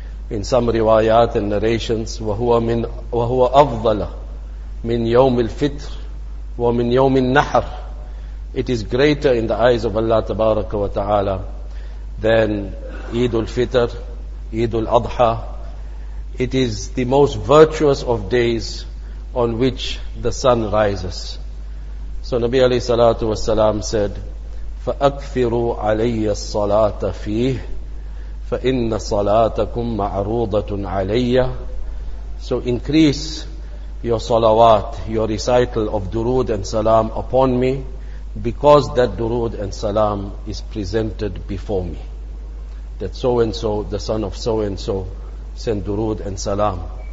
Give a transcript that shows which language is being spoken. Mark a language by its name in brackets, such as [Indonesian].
[English] In some riwayat and narrations, [Arabic] wa huwa afdala min yawm al-fitr wa min yawm al-nahr. [English] It is greater in the eyes of Allah Tabaraka wa Ta'ala than Eid al-Fitr, Eid al-Adha. It is the most virtuous of days on which the sun rises. So Nabi alayhi salatu wa salam said, [Arabic] فَأَكْثِرُوا عَلَيَّ الصَّلَاةَ فِيهِ فَإِنَّ صَلَاتَكُمْ مَعْرُوضَةٌ عَلَيَّ. [English] So increase your salawat, your recital of durood and salam upon me, because that durood and salam is presented before me. That so-and-so, the son of so-and-so, send durood and salam.